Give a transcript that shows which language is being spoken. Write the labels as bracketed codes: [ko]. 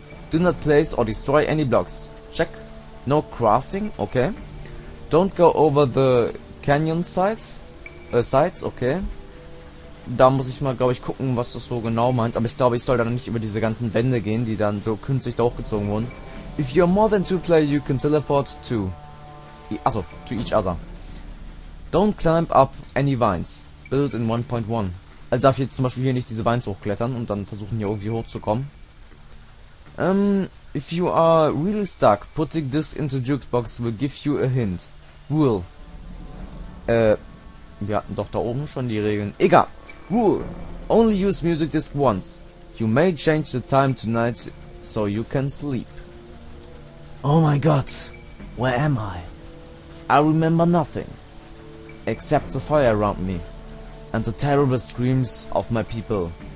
[en] Do not place or destroy any blocks. Check. No crafting. Okay. Don't go over the canyon sites. Sites. Okay. [de] Da muss ich mal, glaube ich, gucken, was das so genau meint. Aber ich glaube, ich soll da nicht über diese ganzen Wände gehen, die dann so künstlich da hochgezogen wurden. [en] If you're more than 2 players, you can teleport to... [de] Achso, [en] to each other. Don't climb up any vines. Build in 1.1. [de] Also darf ich jetzt zum Beispiel hier nicht diese Vines hochklettern und dann versuchen, hier irgendwie hochzukommen. [en] If you are really stuck, putting this into jukebox will give you a hint. Rule. [de] Wir hatten doch da oben schon die Regeln. Egal. [en] Rule. Only use music disc once. You may change the time tonight, so you can sleep. Oh my god, where am I? I remember nothing, except the fire around me, and the terrible screams of my people.